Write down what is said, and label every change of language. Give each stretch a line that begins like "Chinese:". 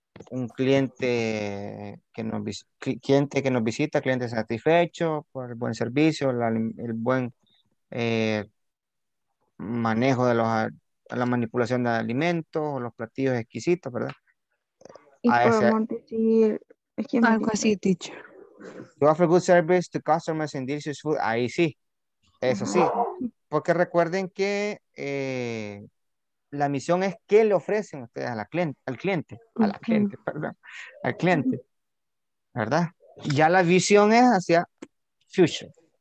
Spanish: Un cliente que nos visita, cliente satisfecho por el buen servicio, el buen manejo de la manipulación de alimentos, los platillos exquisitos, ¿verdad? Algo así, teacher.
English: You offer good service to customers and delicious food.
Spanish: Ahí sí, eso sí. Porque recuerden que la misión es qué le ofrecen ustedes al cliente, ¿verdad? Ya la visión es hacia future.